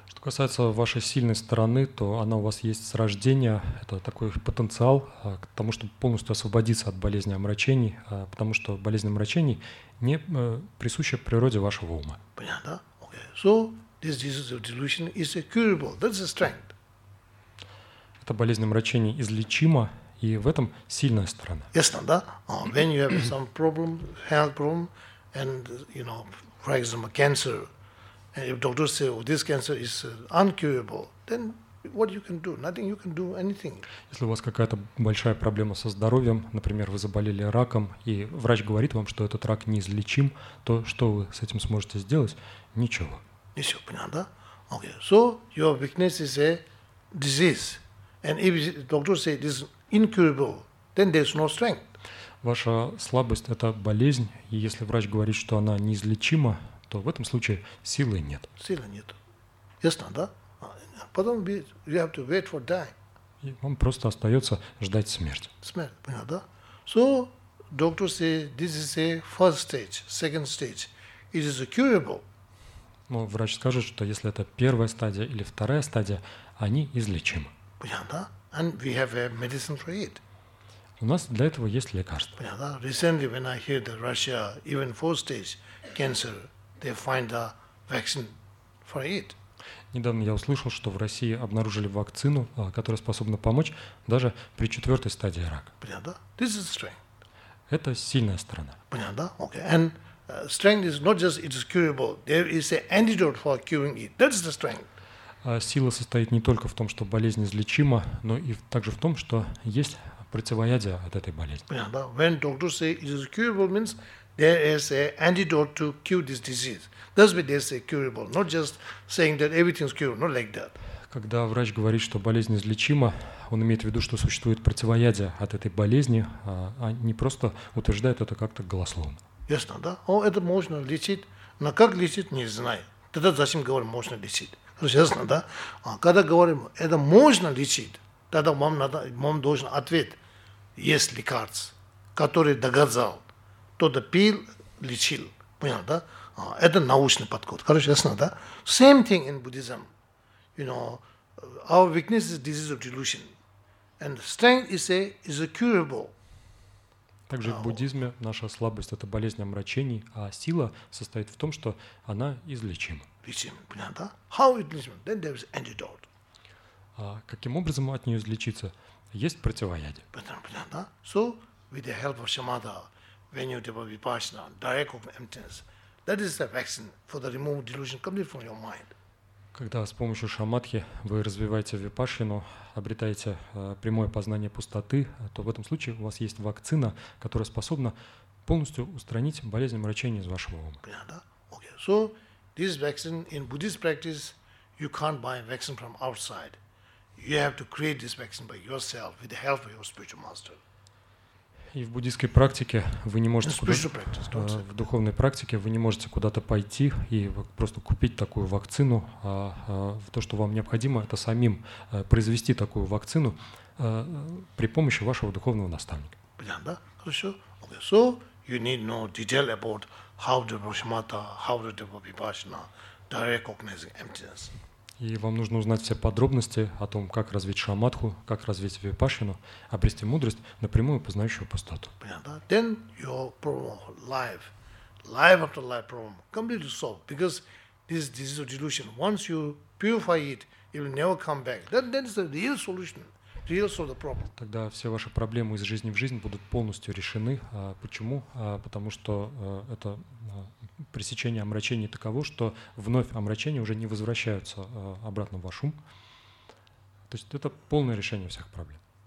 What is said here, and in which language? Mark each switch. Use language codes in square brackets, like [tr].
[ru] Что касается вашей сильной стороны, то она у вас есть с рождения, это такой потенциал к тому, чтобы полностью освободиться от болезни омрачений, потому что болезнь омрачений не присуща природе вашего ума. Понятно? [en] Okay. So, this disease of delusion is curable. That's the strength. [ru] Эта болезнь омрачений излечима, и в этом сильная сторона. [en] Yes, no, [ru] да? [en] When you have some problem, health problem, and, you know, for example, cancer, and if doctors say, oh, this cancer is uncurable, then what you can do? Nothing you can do, anything. [ru] Если у вас какая-то большая проблема со здоровьем, например, вы заболели раком, и врач говорит вам, что этот рак неизлечим, то что вы с этим сможете сделать? Ничего. Ничего, понятно, да? [en] Okay, so your weakness is a disease. And if doctors say it is incurable, then there is no strength. [ru] Ваша слабость – это болезнь, и если врач говорит, что она неизлечима, то в этом случае силы нет. Силы нет. Ясно, да? Потом [en] you have to wait for die. [ru] И вам просто остается ждать смерть. Смерть, понятно, да? [en] So, doctors say this is a first stage, second stage. It is curable. [ru] Но врач скажет, что если это первая стадия или вторая стадия, они излечимы. Понятно, да? [en] And we have a medicine for it. [ru] У нас для этого есть лекарство. Понятно, да? [en] Recently, when I hear that Russia, even fourth stage cancer, they find a vaccine for it. [ru] Недавно я услышал, что в России обнаружили вакцину, которая способна помочь даже при четвертой стадии рака. Понятно, да? [en] This is strength. [ru] Это сильная сторона. Понятно, да? Okay. [en] And strength is not just it is curable. There is an antidote for curing it. That's the strength. [ru] Сила состоит не только в том, что болезнь излечима, но и также в том, что есть противоядие от этой болезни. Понятно, да? [en] When doctors say it is curable, means there is an antidote to cure this disease. That's why they say curable, not just saying that everything is curable, not like that. [ru] Когда врач говорит, что болезнь излечима, он имеет в виду, что существует противоядие от этой болезни, а не просто утверждает это как-то голословно. Ясно, да? О, это можно лечить, но как лечить, не знаю. Тогда зачем говорим, можно лечить? Ну, ясно, да? А когда говорим, это можно лечить, тогда вам надо, вам должен ответ, есть лекарств, который доказал, кто-то пил, лечил. Понял, да? Это научный подход. Короче, ясно, да? [en] Same thing in Buddhism. You know, our weakness is disease of delusion. And strength is a curable. [ru] Также в буддизме наша слабость – это болезнь омрачений, а сила состоит в том, что она излечима. Лечим, понял, да? [en] How it is? Then there is antidote. [ru] Каким образом от нее излечиться? Есть противоядие. Понял, да? [en] So, with the help of Shamatha, when you develop vipassana, direct of emptiness, that is the vaccine for the removal of delusion completely from your mind. [ru] Когда с помощью шамадхи вы развиваете випассану, обретаете прямое познание пустоты, то в этом случае у вас есть вакцина, которая способна полностью устранить болезнь омрачения из вашего ума. Понятно, да? Okay. [en] So, this vaccine in Buddhist practice, you can't buy a vaccine from outside. You have to create this vaccine by yourself with the help of your spiritual master. [ru] И в буддийской практике вы не можете в духовной практике вы не можете куда-то пойти и просто купить такую вакцину. То, что вам необходимо, это самим произвести такую вакцину при помощи вашего духовного наставника. Понятно, да? Хорошо. Okay. [en] So you need to know detail about how to approach Shamatha, how to develop Vipassana, direct recognizing emptiness. [ru] И вам нужно узнать все подробности о том, как развить шамадху, как развить випассану, обрести мудрость, напрямую познающую пустоту. Понятно, да? [en] Then your problem of life, life after life problem, completely solved. Because this disease of delusion, once you purify it, it will never come back. Then it's the real solution. [ru] Тогда все ваши проблемы из жизни в жизнь будут полностью решены. Почему? Потому что это пресечение омрачений таково, что вновь омрачения уже не возвращаются обратно в ваш ум. То есть это полное решение всех проблем.